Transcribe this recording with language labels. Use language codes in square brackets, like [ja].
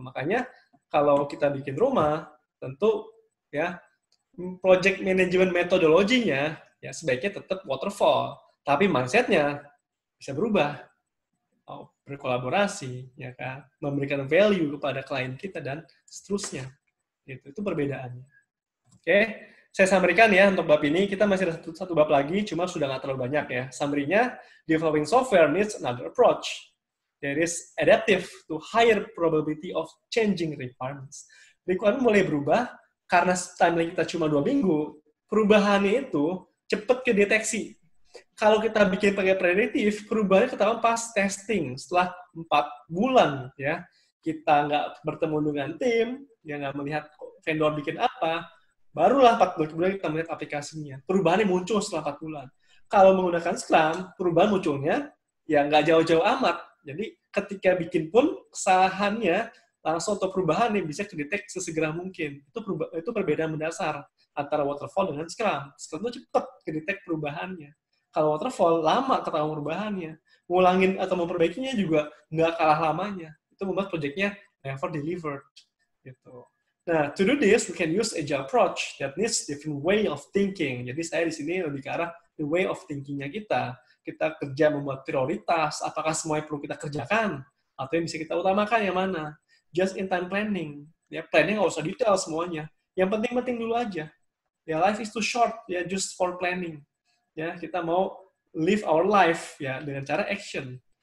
[id] Makanya kalau kita bikin rumah, tentu ya project management metodologinya ya sebaiknya tetap waterfall, tapi mindset-nya bisa berubah. Oh, berkolaborasi ya kan, memberikan value kepada klien kita dan seterusnya. Gitu. Itu perbedaannya. Oke, saya sampaikan ya untuk bab ini, kita masih ada satu bab lagi, cuma sudah nggak terlalu banyak ya. [en] Summary-nya, developing software needs another approach. There is adaptive to higher probability of changing requirements. [id] Requirement mulai berubah, karena timeline kita cuma 2 minggu, perubahannya itu cepat kedeteksi. Kalau kita bikin pakai predictive, perubahannya ketahuan pas testing, setelah 4 bulan ya. Kita nggak bertemu dengan tim, ya nggak melihat vendor bikin apa, barulah 4 bulan kita melihat aplikasinya. Perubahannya muncul setelah 4 bulan. Kalau menggunakan Scrum, perubahan munculnya ya nggak jauh-jauh amat. Jadi ketika bikin pun, kesalahannya langsung atau perubahannya bisa terdetek sesegera mungkin. Itu perbedaan mendasar antara waterfall dengan Scrum. Scrum itu cepat terdetek perubahannya. Kalau waterfall, lama ketahuan perubahannnya. Ngulangin atau memperbaikinya juga nggak kalah lamanya. Itu membuat proyeknya [en] never delivered. [id] Gitu. [en] Nah, to do this, we can use agile approach that needs different way of thinking. [id] Jadi saya di sini lebih ke arah [en] the way of thinking- [id] nya kita. Kita kerja membuat prioritas, apakah semua yang perlu kita kerjakan, atau yang bisa kita utamakan yang mana. [en] just in time planning. [id] Ya, planning nggak usah detail semuanya. Yang penting-penting dulu aja. [en] Ya, life is too short, ya, just for planning. [id] Ya, kita mau [en] live our life, [id] ya, dengan cara action.